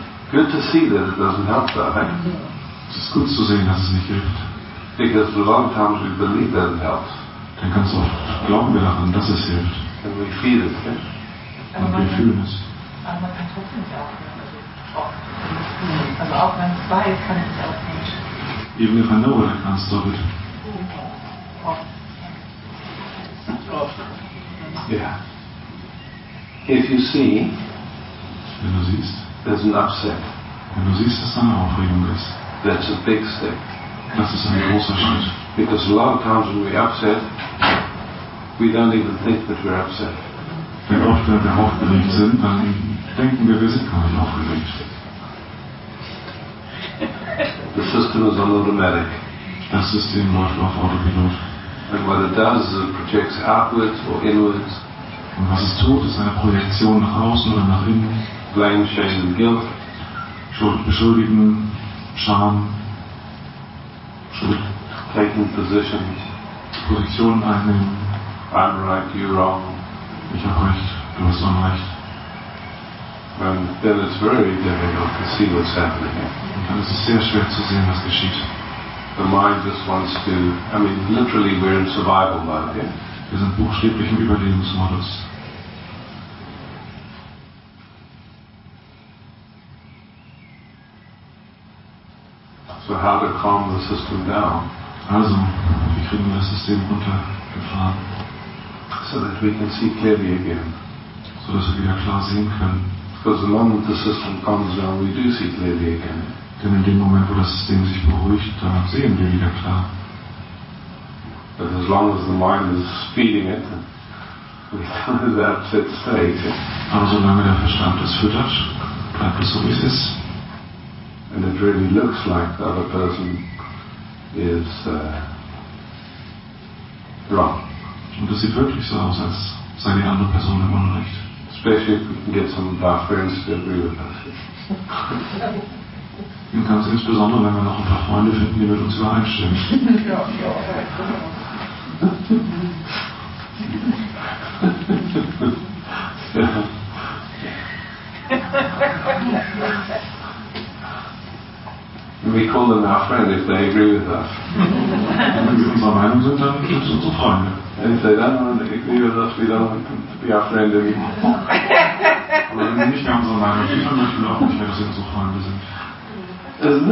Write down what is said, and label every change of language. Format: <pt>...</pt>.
<en>Good to see that it doesn't help, though, right?</en> <de>Es ist gut zu sehen, dass es nicht hilft.</de> <en>Because for a long time we believe that it helps.</en> <de>Dann ganz oft glauben wir daran, dass es hilft.</de> <en>And we feel it, okay?</en> <de>Und wir fühlen es. Aber man kann trotzdem nicht aufhören. Also auch wenn es bei kann es auch nicht.</de> <en>Even if I know it, I can't stop it. Yeah. If you see,</en> <de>wenn du siehst,</de> <en>there's an upset.</en> <de>Wenn du siehst, dass eine Aufregung ist,</de> <en>that's a big step.</en> <de>Das ist ein großer Schritt.</de> <en>Because a lot of times when we're upset, we don't even think that we're upset.</en> <de>Denn oft, wenn wir aufgeregt sind, dann denken wir, wir sind gar nicht aufgeregt.</de> <en>The system is on automatic.</en> <de>Das System läuft auf Autopilot.</de> <en>And what it does is it projects outwards or inwards.</en> <de>Und was es tut, ist eine Projektion nach außen oder nach innen.</de> <en>Blame, shame and guilt.</en> <de>Schuld, beschuldigen, Scham. Schuld.</de> <en>Taking positions.</en> <de>Positionen einnehmen.</de> <en>I'm right, you're wrong.</en> <de>Ich habe recht, du hast unrecht.</de> <en>And then it's very difficult to see what's happening.</en> <de>Und dann ist es sehr schwer zu sehen, was geschieht.</de> <en>The mind just wants to, I mean, literally we're in survival mode, yeah?</en> <de>Wir sind buchstäblich im Überlebensmodus.</de> <en>So how to calm the system down?</en> <de>Also, wie kriegen wir das System runtergefahren?</de> <en>So that we can see clearly again.</en> <de>So dass wir wieder klar sehen können.</de> <en>Because the moment the system calms down, we do see clearly again.</en> <de>Denn in dem Moment, wo das System sich beruhigt, dann sehen wir wieder klar.</de> <en>But as long as the mind is feeding it, we don't have that upset state.</en> <de>Aber solange der Verstand es füttert, bleibt es so, wie es ist.</de> <en>And it really looks like the other person is wrong.</en> <de>Und es sieht wirklich so aus, als sei die andere Person im Unrecht.</de> <en>Especially if we can get some of our friends to agree with us.</en> <de>Und ganz insbesondere, wenn wir noch ein paar Freunde finden, die mit uns übereinstimmen. Ja, ja.</de> <en>We call them our friends if they agree with us.</en> <de>Wenn sie unserer Meinung sind, dann sind sie unsere Freunde.</de> <en>And if they don't agree with us, we don't be our friend anymore.</en> <de>Aber wenn sie nicht mehr unserer Meinung sind, dann möchten wir auch nicht mehr, dass sie unsere Freunde sind.</de>